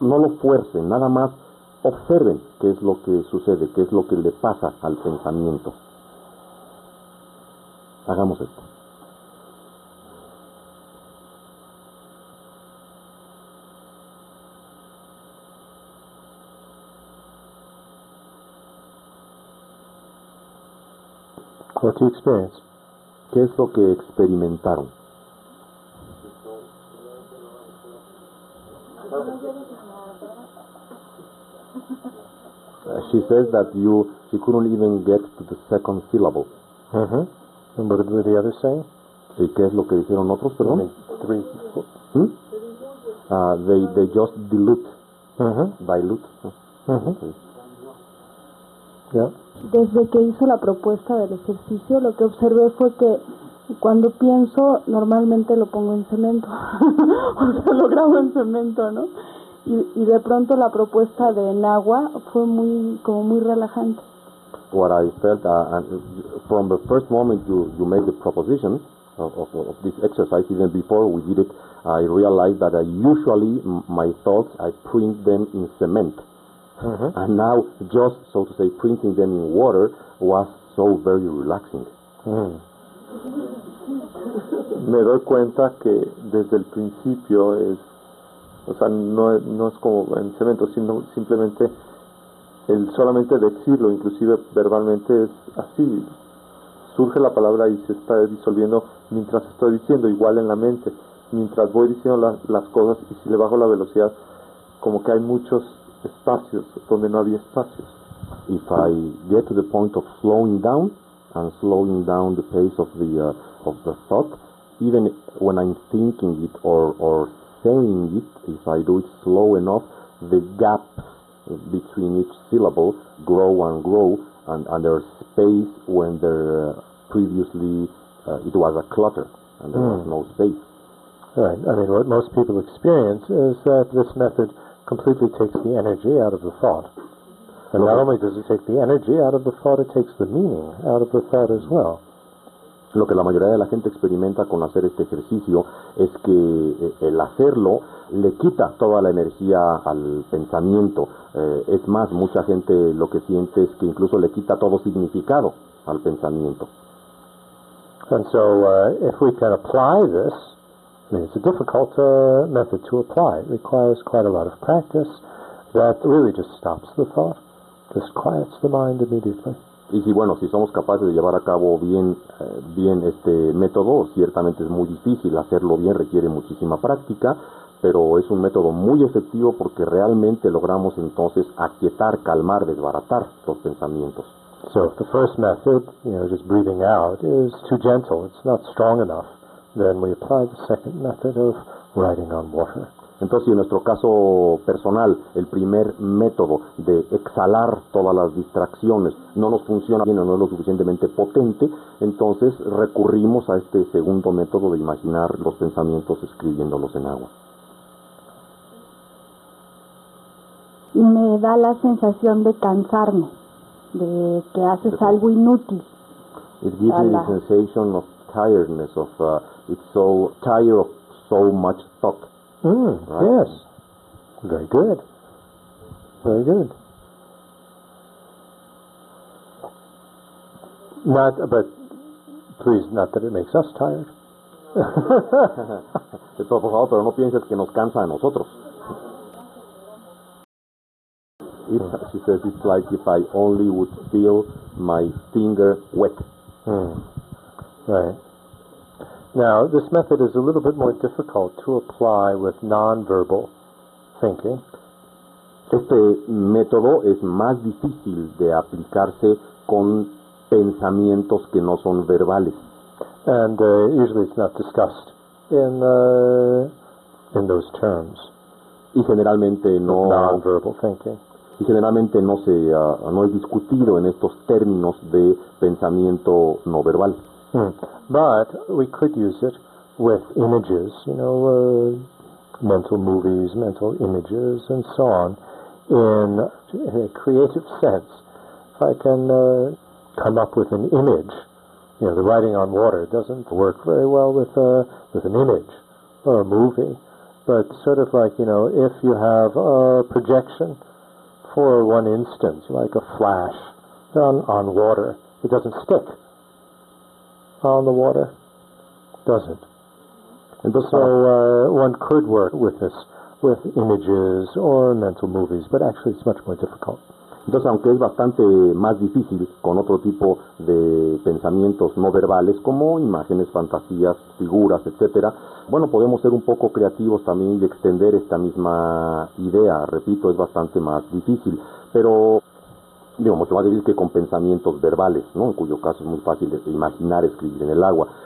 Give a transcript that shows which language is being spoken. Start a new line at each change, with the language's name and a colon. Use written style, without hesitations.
Spanish: No lo fuercen, nada más. Observen qué es lo que sucede, qué es lo que le pasa al pensamiento. Hagamos esto.
English: What you experience?
Spanish: ¿Qué es lo que experimentaron?
English: She says that she couldn't even get to the second syllable. Uh-huh. And what did the others say?
Spanish: ¿Y qué es lo que dijeron otros, perdón?
English: I mean, three, four. Hmm? They just dilute. Uh-huh. Dilute. Uh-huh. Yeah.
Spanish: Desde que hizo la propuesta del ejercicio, lo que observé fue que cuando pienso, normalmente lo pongo en cemento. O sea, lo grabo en cemento, ¿no? Y de pronto la propuesta de en agua fue muy, como muy relajante.
English: What I felt from the first moment you made the proposition of this exercise, even before we did it, I realized that usually my thoughts, I print them in cement. Uh-huh. And now just, so to say, printing them in water was so very relaxing. Mm.
Spanish: Me doy cuenta que desde el principio es, o sea, no es como en cemento, sino simplemente el solamente decirlo, inclusive verbalmente, es así. Surge la palabra y se está disolviendo mientras estoy diciendo, igual en la mente. Mientras voy diciendo las cosas, y si le bajo la velocidad, como que hay muchos espacios donde no había espacios.
English: If I get to the point of slowing down, and slowing down the pace of the thought, even when I'm thinking it or saying it, if I do it slow enough, the gap between each syllable grow and grow, and there's space when there previously it was a clutter and there was no space. Right. I mean, what most people experience is that this method completely takes the energy out of the thought. And not only does it take the energy out of the thought, it takes the meaning out of the thought as well.
Spanish: Lo que la mayoría de la gente experimenta con hacer este ejercicio es que el hacerlo le quita toda la energía al pensamiento. Es más, mucha gente lo que siente es que incluso le quita todo significado al pensamiento.
English: And so, if we can apply this, I mean, it's a difficult method to apply. It requires quite a lot of practice that really just stops the thought, just quiets the mind immediately.
Spanish: Y si, bueno, si somos capaces de llevar a cabo bien, bien este método, ciertamente es muy difícil hacerlo bien, requiere muchísima práctica, pero es un método muy efectivo porque realmente logramos entonces aquietar, calmar, desbaratar los pensamientos.
English: So if the first method, you know, just breathing out, is too gentle, it's not strong enough, then we apply the second method of writing on water.
Spanish: Entonces, si en nuestro caso personal, el primer método de exhalar todas las distracciones no nos funciona bien o no es lo suficientemente potente, entonces recurrimos a este segundo método de imaginar los pensamientos escribiéndolos en agua. Me da la sensación de cansarme, de que haces algo inútil.
English: It gives me the sensation of tiredness, of it's so tired of so much talk. Right. Yes. Very good. Very good. Not, but please, not that it makes us tired.
Spanish: Por favor, pero no pienses que nos cansa a nosotros.
English: She says it's like if I only would feel my finger wet. Right. Now, this method is a little bit more difficult to apply with non-verbal thinking.
Spanish: Este método es más difícil de aplicarse con pensamientos que no son verbales.
English: And usually it's not discussed in those terms.
Spanish: Y generalmente no...
English: Non-verbal thinking.
Spanish: Y generalmente no se no es discutido en estos términos de pensamiento no verbal.
English: But we could use it with images, you know, mental movies, mental images, and so on, in a creative sense. If I can come up with an image, you know, the writing on water doesn't work very well with an image or a movie, but sort of like, you know, if you have a projection for one instance, like a flash done on water, it doesn't stick. On the water, does it? And so one could work with this, with images or mental movies, but actually it's much more difficult.
Spanish: Entonces, aunque es bastante más difícil con otro tipo de pensamientos no verbales, como imágenes, fantasías, figuras, etcétera, bueno, podemos ser un poco creativos también y extender esta misma idea. Repito, es bastante más difícil, pero digo, mucho más difícil que con pensamientos verbales, ¿no? En cuyo caso es muy fácil imaginar escribir en el agua.